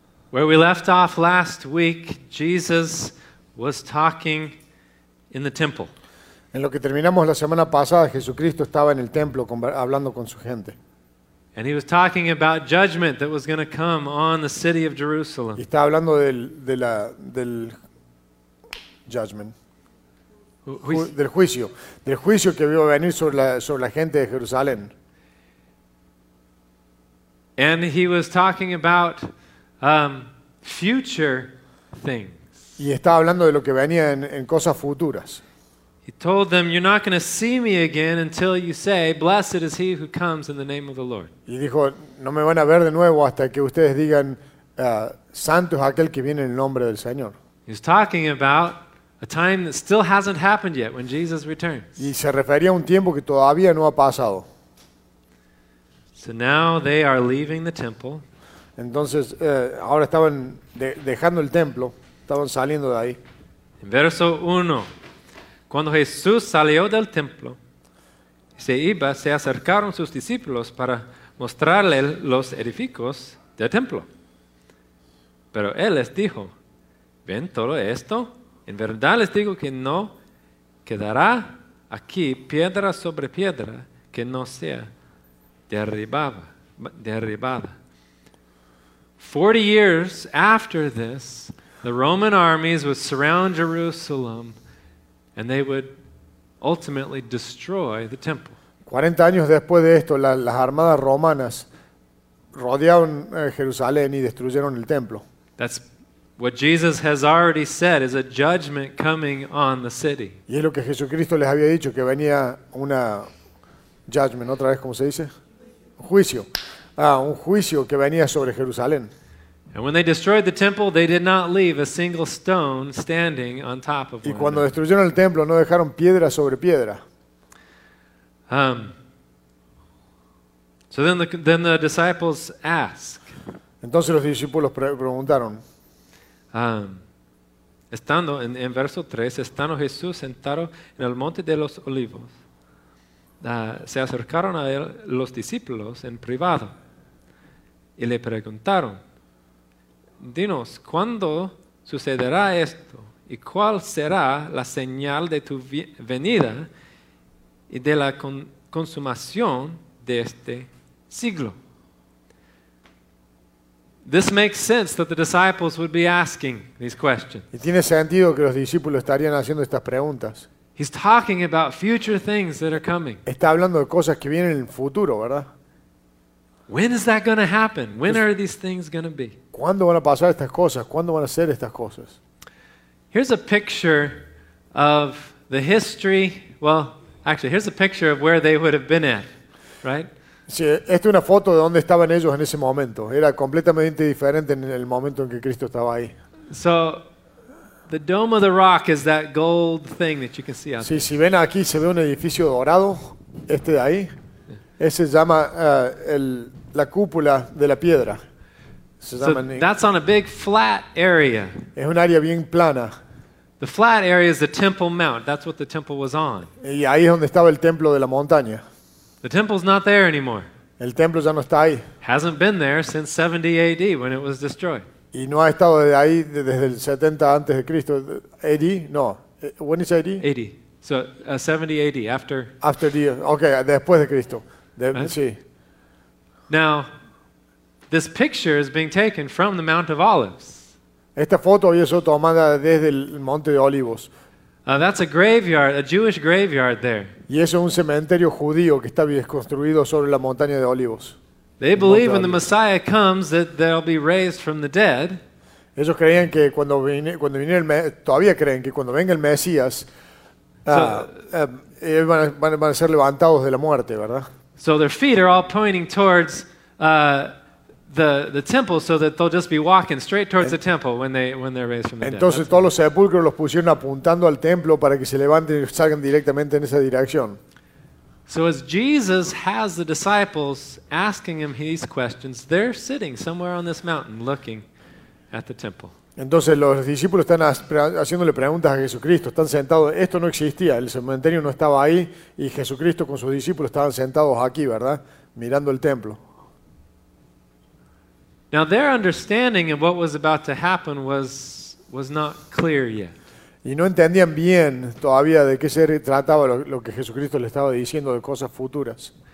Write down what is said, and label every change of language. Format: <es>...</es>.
<en>Where we left off last week, Jesus was talking in the temple.</en> <es>En lo que terminamos la semana pasada, Jesucristo estaba en el templo hablando con su gente.</es> <en>And he was talking about judgment that was going to come on the city of Jerusalem.</en> <es>Está hablando del judgment. Del juicio que iba a venir sobre la gente de Jerusalén.</es> <en>And he was talking about future things.</en> <es>Y estaba hablando de lo que venía en cosas futuras.</es> <en>He told them, "You're not going to see me again until you say, 'Blessed is he who comes in the name of the Lord.'"</en> <es>Y dijo, "No me van a ver de nuevo hasta que ustedes digan, 'Santo es aquel que viene en el nombre del Señor.'"</es> <en>He's talking about a time that still hasn't happened yet when Jesus returns.</en> <es>Y se refería a un tiempo que todavía no ha pasado.</es> <en>So now they are leaving the temple.</en> <es>Entonces, ahora estaban dejando el templo, estaban saliendo de ahí. En verso 1. Cuando Jesús salió del templo, se iba, se acercaron sus discípulos para mostrarle los edificios del templo. Pero él les dijo: ¿Ven todo esto? En verdad les digo que no quedará aquí piedra sobre piedra que no sea derribada.</es> <en>40 years after this, the Roman armies would surround Jerusalem. And they would ultimately destroy the temple.</en> <es>40 años después de esto, las armadas romanas rodearon Jerusalén y destruyeron el templo.</es> <en>That's what Jesus has already said is a judgment coming on the city.</en> <es>Y es lo que Jesucristo les había dicho, que venía una judgment, otra vez como se dice, un juicio que venía sobre Jerusalén.</es> <en>And when they destroyed the temple, they did not leave a single stone standing on top of one.</en> <es>Y cuando destruyeron el templo, no dejaron piedra sobre piedra.</es> <en>So then the disciples ask.</en> <es>Entonces los discípulos preguntaron. Estando en verso 3, estando Jesús sentado en el monte de los olivos, se acercaron a él los discípulos en privado y le preguntaron: dinos, ¿cuándo sucederá esto? ¿Y cuál será la señal de tu venida y de la consumación de este siglo?</es> <en>This makes sense that the disciples would be asking these questions.</en> <es>Y tiene sentido que los discípulos estarían haciendo estas preguntas.</es> <en>He's talking about future things that are coming.</en> <es>Está hablando de cosas que vienen en el futuro, ¿verdad?</es> <en>When is that going to happen? When are these things going to be?</en> <es>¿Cuándo van a pasar estas cosas? ¿Cuándo van a ser estas cosas?</es> <en>Here's a picture of the history. Well, actually, here's a picture of where they would have been at, right?</en> <es>Sí, esta es una foto de dónde estaban ellos en ese momento. Era completamente diferente en el momento en que Cristo estaba ahí.</es> <en>So, the Dome of the Rock is that gold thing that you can see out there.</en> <es>Sí, si ven aquí se ve un edificio dorado, este de ahí. Ese se llama la cúpula de la piedra. Se llama.</es> <en>So that's on a big flat area.</en> <es>Es un área bien plana.</es> <en>The flat area is the Temple Mount. That's what the temple was on.</en> <es>Y ahí es donde estaba el templo de la montaña.</es> <en>The temple's not there anymore.</en> <es>El templo ya no está ahí.</es> <en>Hasn't been there since 70 AD when it was destroyed.</en> <es>Y no ha estado de ahí desde el 70 antes de Cristo.</es> <en>AD? No. When is AD? AD. So 70 AD after. After the okay,</en> <es>después de Cristo. De,</es> <en>right?</en> <es>Sí.</es> <en>Now, this picture is being taken from the Mount of Olives.</en> <es>Esta foto había sido tomada desde el Monte de Olivos.</es> <en>That's a graveyard, a Jewish graveyard there.</en> <es>Y eso es un cementerio judío que está construido sobre la montaña de Olivos.</es> <en>They believe when the Messiah comes that they'll be raised from the dead.</en> <es>Ellos creían que cuando venga el Mesías, van a ser levantados de la muerte, ¿verdad?</es> <en>So their feet are all pointing towards the temple, so that they'll just be walking straight towards the temple when they're raised from the dead.</en> <es>Entonces todos los sepulcros los pusieron apuntando al templo para que se levanten y salgan directamente en esa dirección.</es> <en>So as Jesus has the disciples asking him these questions, they're sitting somewhere on this mountain looking at the temple.</en> <es>Entonces los discípulos están haciéndole preguntas a Jesucristo, están sentados. Esto no existía, el cementerio no estaba ahí y Jesucristo con sus discípulos estaban sentados aquí, ¿verdad? Mirando el templo.</es> <en>Now their understanding of what was about to happen was not clear yet.</en> <es>Y no entendían bien todavía de qué se trataba lo que Jesucristo le estaba diciendo de cosas futuras.</es>